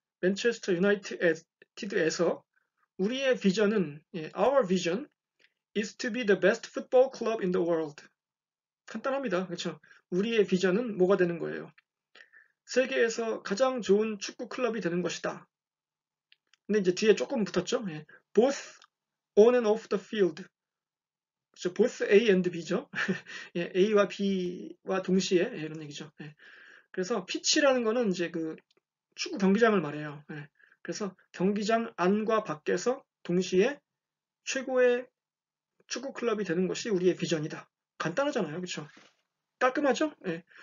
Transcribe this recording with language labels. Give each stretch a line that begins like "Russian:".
English: Manchester United에서
Korean: 우리의 비전은,
English: 예, our vision is to be the best football club in the world.
Korean: 간단합니다. 그렇죠? 우리의 비전은 뭐가 되는 거예요? 세계에서 가장 좋은 축구 클럽이 되는 것이다. 근데 이제 뒤에 조금 붙었죠? 예.
English: Both on and off the field.
Korean: 그렇죠.
English: Both A and B
Korean: 죠. 예, A와 B와 동시에 예, 이런 얘기죠. 예. 그래서 피치라는 거는 이제 그 축구 경기장을 말해요. 예. 그래서 경기장 안과 밖에서 동시에 최고의 축구 클럽이 되는 것이 우리의 비전이다. 간단하잖아요, 그렇죠? 깔끔하죠? 예.